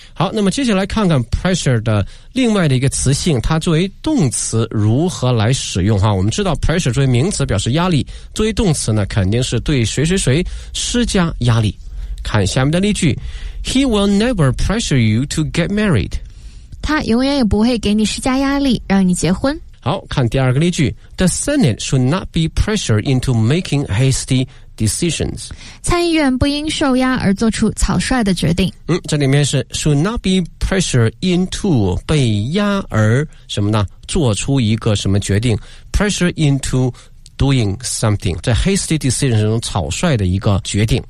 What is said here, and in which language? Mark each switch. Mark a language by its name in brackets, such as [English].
[Chinese] 好，那么接下来看看 pressure 的另外的一个词性，它作为动词如何来使用哈？我们知道 pressure 作为名词表示压力，作为动词呢，肯定是对谁谁谁施加压力。看下面的例句 [English] ，He will never pressure you to get married. [Chinese] 他永远也不会给你施加压力，让你结婚。好，看第二个例句 [English] ，The Senate should not be pressured into making hasty decisions. [Chinese] 参议院不应受压而做出草率的决定。嗯，这里面是 [English] should not be pressured into [Chinese] 被压而什么呢？做出一个什么决定 ？ [English] Pressure into doing something， [Chinese] 在 hasty decision 中草率的一个决定。